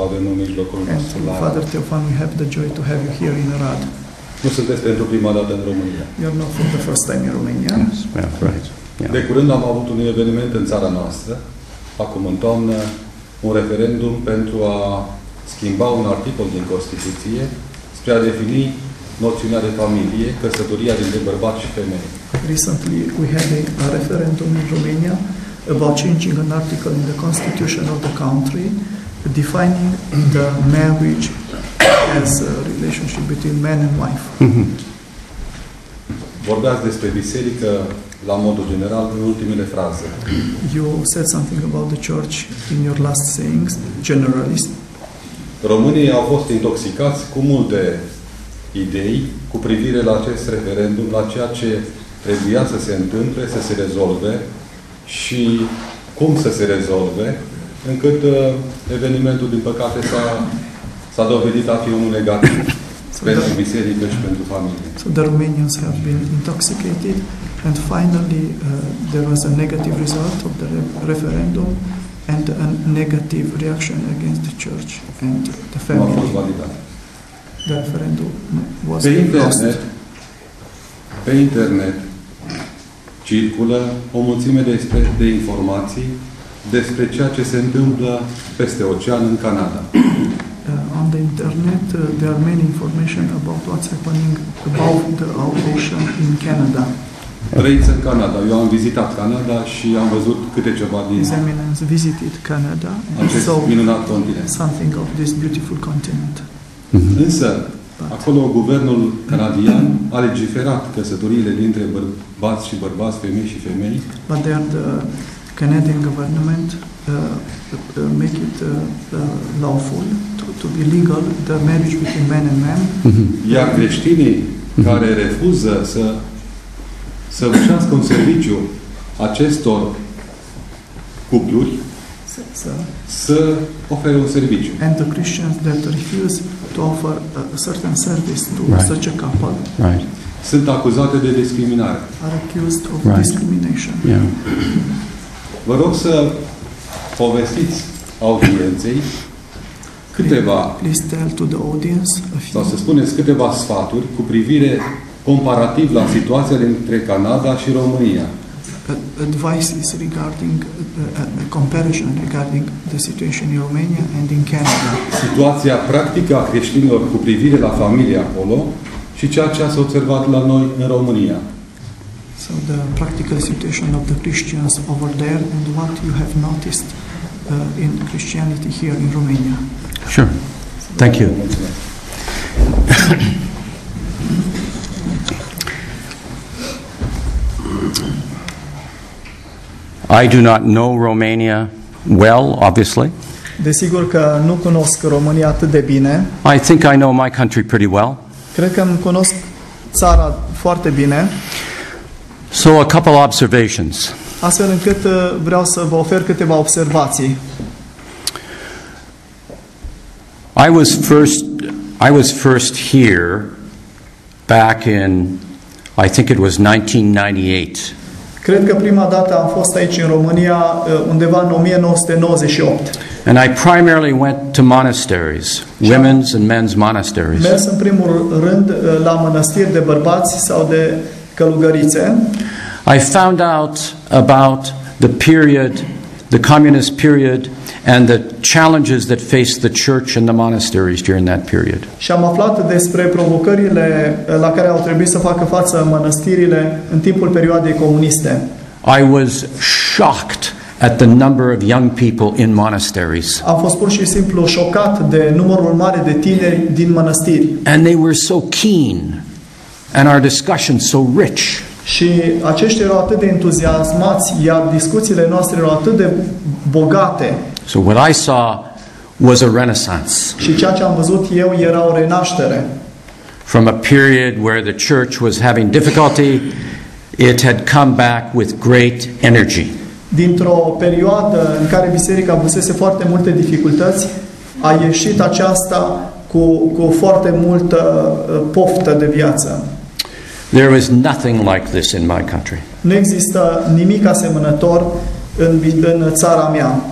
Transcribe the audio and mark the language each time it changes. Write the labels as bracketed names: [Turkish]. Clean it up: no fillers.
[English] Father Teofan, we have the joy to have you here in Arad. You're not for the first time in Romania. Yes, well, right. Yeah. [Romanian] De curând am avut un eveniment în țara noastră, acum în toamnă, un referendum pentru a schimba un articol din Constituție spre a defini noțiunea de familie, căsătoria dintre bărbat și femeie. [English] Recently we had a referendum in Romania about changing an article in the Constitution of the country defining the marriage as a relationship between man and wife. [Romanian] Vorbeați despre biserică la modul general, în ultimele fraze. [English] You said something about the church in your last sayings, generally. [Romanian] Românii au fost intoxicați cu multe idei cu privire la acest referendum, la ceea ce trebuia să se întâmple, să se rezolve și cum să se rezolve, încât evenimentul, din păcate, s-a dovedit a fi unul negativ pentru biserică și pentru familie. [English] So the Romanians have been intoxicated. And finally, there was a negative result of the referendum and a negative reaction against the church and the family. [Romanian] Nu a fost validat. [English] The referendum was [Romanian] pe internet, pe internet circulă o mulțime de informații despre ceea ce se întâmplă peste ocean în Canada. [English] On the internet, there are many information about what's happening above the ocean in Canada. [Romanian] Trăiți în Canada. Eu am vizitat Canada și am văzut câte ceva din [English] His Eminence visited Canada and [Romanian] acest [English] saw [Romanian] minunat continent. [English] Something of this beautiful continent. [Romanian] Însă, [English] but [Romanian] acolo guvernul canadian a legiferat căsătoriile dintre bărbați și bărbați, femei și femei. [English] But there the Canadian government make it lawful, to be legal, the marriage between man and man. [Romanian] Iar creștinii care refuză să vășească un serviciu acestor cupluri, să ofere un serviciu. [English] And the Christians that refuse to offer a certain service to right. such a couple right. [Romanian] sunt acuzate de discriminare. [English] Are accused of right. discrimination. Yeah. [Romanian] Vă rog să povestiți audienței câteva, [English] please tell to the audience a few, [Romanian] sau să spuneți câteva sfaturi cu privire comparativ la situația dintre Canada și România. [English] Advices regarding a comparison regarding the situation in Romania and in Canada. [Romanian] Situația practică a creștinilor cu privire la familie acolo și ceea ce ați observat la noi în România. [English] So the practical situation of the Christians over there and what you have noticed in Christianity here in Romania. Sure. Thank you. I do not know Romania well, obviously. [Romanian] Desigur că nu cunosc România atât de bine. [English] I think I know my country pretty well. [Romanian] Cred că îmi cunosc țara foarte bine. [English] So a couple observations. [Romanian] Astfel încât vreau să vă ofer câteva observații. [English] I was first here back in, I think it was 1998. [Romanian] Cred că prima dată am fost aici în România undeva în 1998. [English] And I primarily went to monasteries, women's and men's monasteries. [Romanian] Mers în primul rând la mănăstiri de bărbați sau de călugărițe. [English] I found out about the period, the communist period, and the challenges that faced the church and the monasteries during that period. [Romanian] Și am aflat despre provocările la care au trebuit să facă față mănăstirile în timpul perioadei comuniste. [English] I was shocked at the number of young people in monasteries. [Romanian] Am fost pur și simplu șocat de numărul mare de tineri din mănăstiri. [English] And they were so keen, and our discussion so rich. [Romanian] Și aceștia erau atât de entuziasmați, iar discuțiile noastre erau atât de bogate. [English] So what I saw was a renaissance. [Romanian] Și ceea ce am văzut eu era o renaștere. [English] From a period where the church was having difficulty, it had come back with great energy. [Romanian] Dintr-o perioadă în care biserica avusese foarte multe dificultăți, a ieșit aceasta cu foarte multă poftă de viață. [English] There is nothing like this in my country. [Romanian] Nu există nimic asemănător în țara mea.